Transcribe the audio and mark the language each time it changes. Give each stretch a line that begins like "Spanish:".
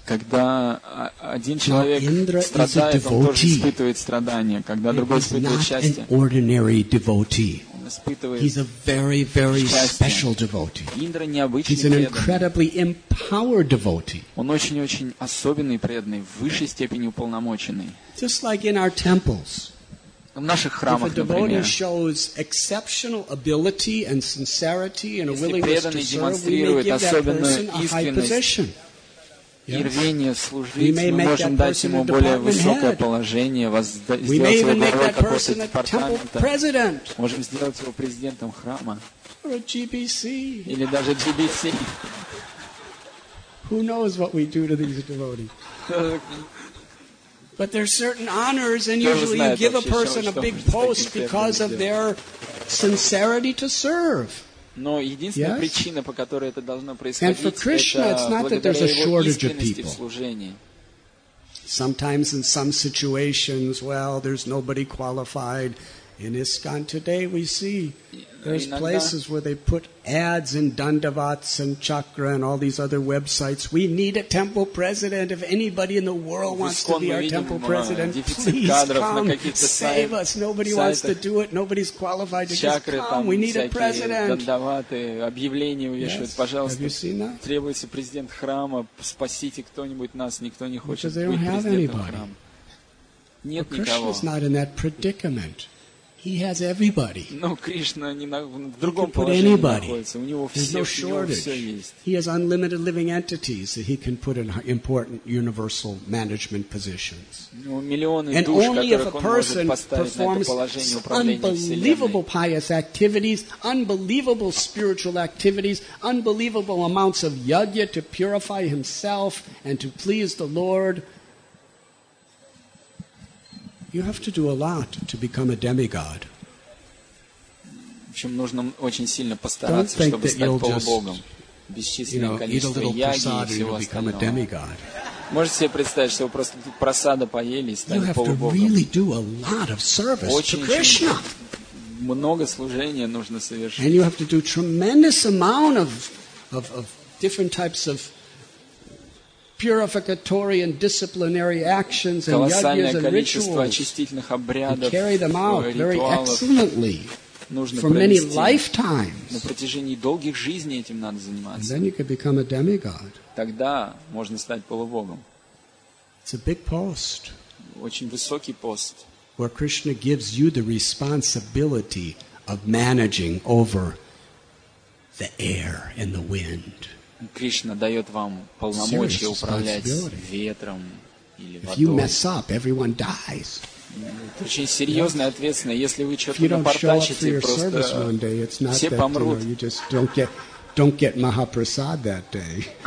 Russian: Когда один человек страдает, он тоже испытывает страдания. Когда другой испытывает счастье.
English: He's not an ordinary devotee. He's a very, very special devotee. He's an incredibly empowered devotee.
Russian: Он очень-очень особенный преданный, в высшей степени уполномоченный.
English: Just like in our temples.
Russian: В наших храмах,
English: if a devotee shows exceptional ability and sincerity and a willingness to serve, we may give that person a high position. Yes. We may make that person a department head. We may even make that person a temple president.
Russian: Можем сделать его президентом храма.
English: Or a GBC.
Russian: Или даже GBC.
English: Who knows what we do to these devotees? But there are certain honors, and usually you give a person a big post because of their sincerity to serve.
Russian: Но единственная причина, по которой это должно происходить,
English: and for Krishna, it's not that there's a shortage of people. Sometimes in some situations, well, there's nobody qualified. In ISKCON today, we see there's places where they put ads in Dandavats and Chakra and all these other websites. We need a temple president. If anybody in the world wants to be our temple president, please come, save us. Nobody wants to do it. Nobody's qualified to just come. We need a president.
Russian: Дандаваты, объявления вывешивают. Пожалуйста, требуется президент храма. Спасите кто-нибудь нас. Никто не хочет быть президентом храма. Нет никого.
English: Krishna's not in that predicament. He has everybody.
Russian: Но Кришна не на, в другом положении находится. У него все,
English: no shortage.
Russian: У него все есть.
English: He has unlimited living entities that he can put in important universal management positions.
Russian: У него миллионы
English: and
Russian: душ,
English: only
Russian: которых
English: if a person performs unbelievable pious activities, unbelievable spiritual activities, unbelievable amounts of yajna to purify himself and to please the Lord. You have to do a lot to become a demigod.
Russian: В общем, нужно очень сильно постараться, чтобы стать полубогом. Бесчисленное количество яги и всего остального. Можете себе представить, что вы просто просада поели и стали полубогом. Очень-очень много служения нужно совершить.
English: And you have to do tremendous amount of different types of purificatory and disciplinary actions and yajnas and rituals and carry them out very excellently for many lifetimes. And then you could become a demigod. It's a big post.
Russian: Очень высокий пост.
English: Where Krishna gives you the responsibility of managing over the air and the wind.
Russian: Кришна дает вам полномочия управлять ветром,
English: If you mess up, everyone dies.
Russian: Это очень серьезная ответственность. Если вы что-то напортачите, просто
English: day,
Russian: все помрут.
English: You just don't get Mahaprasad that day.